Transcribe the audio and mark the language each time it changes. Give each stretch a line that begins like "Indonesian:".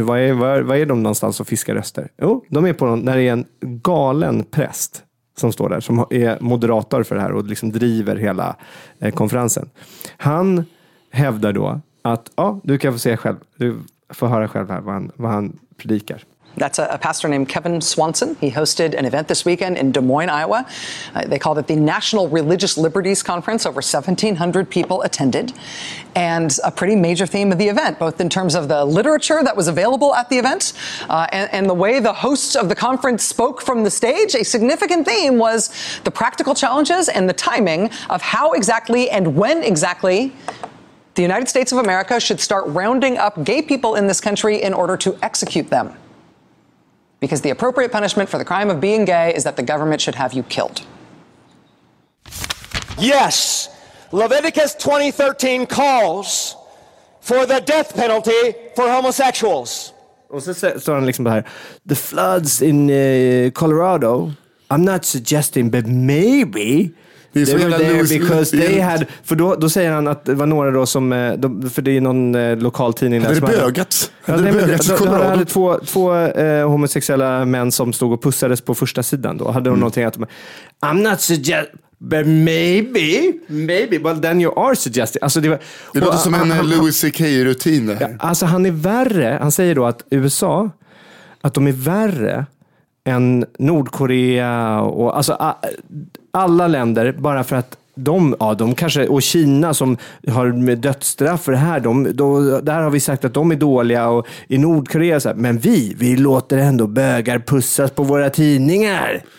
Swedish: Vad är de någonstans och fiskar röster? Jo, de är på någon, när det är en galen präst som står där, som är moderator för det här och liksom driver hela konferensen. Han hävdar då att, ja, du kan få se själv. Du får höra själv här vad han predikar.
English: That's a pastor named Kevin Swanson. He hosted an event this weekend in Des Moines, Iowa. They called it the National Religious Liberties Conference. Over 1,700 people attended. And a pretty major theme of the event, both in terms of the literature that was available at the event and the way the hosts of the conference spoke from the stage, a significant theme was the practical challenges and the timing of how exactly and when exactly the United States of America should start rounding up gay people in this country in order to execute them. Because the appropriate punishment for the crime of being gay is that the government should have you killed. Yes, Leviticus 20:13 calls for the death penalty for homosexuals.
Swedish: Och så står han liksom här.
English: The floods in Colorado, I'm not suggesting, but maybe they were there because they had...
Swedish: För då säger han att det var några då som... För det är någon lokal tidning där. Det är bögat. Det hade två homosexuella män som stod och pussades på första sidan. Då hade de någonting att...
English: I'm not suggesting, but maybe. Maybe, but then you are suggesting.
Swedish: Alltså det var, det låter som en Louis C.K.-rutin. Ja, alltså han är värre. Han säger då att USA, att de är värre än Nordkorea och... Alltså, alla länder, bara för att de, ja, de kanske, och Kina som har med dödsstraff för det här, där har vi sagt att de är dåliga och i Nordkorea, så här, men vi låter ändå bögar pussas på våra tidningar.